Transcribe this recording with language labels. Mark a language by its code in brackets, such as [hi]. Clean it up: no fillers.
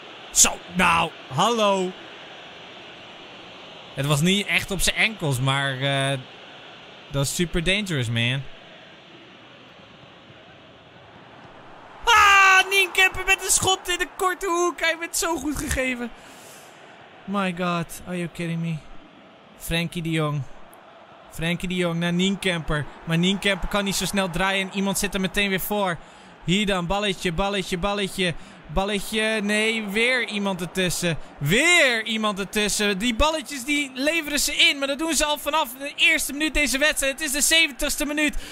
[nl] Zo, nou, hallo. Het was niet echt op zijn enkels, maar... Dat is [en] super dangerous, man. [nl] Ah, Nienkempen met een schot in de korte hoek. Hij werd zo goed gegeven. [en] My god, are you kidding me? [nl] Frenkie de Jong. Frenkie de Jong naar Nienkemper. Maar Nienkemper kan niet zo snel draaien. Iemand zit er meteen weer voor. Hier dan, balletje, balletje, balletje. Balletje, nee, weer iemand ertussen. Weer iemand ertussen. Die balletjes die leveren ze in. Maar dat doen ze al vanaf de eerste minuut deze wedstrijd. Het is de 70ste minuut.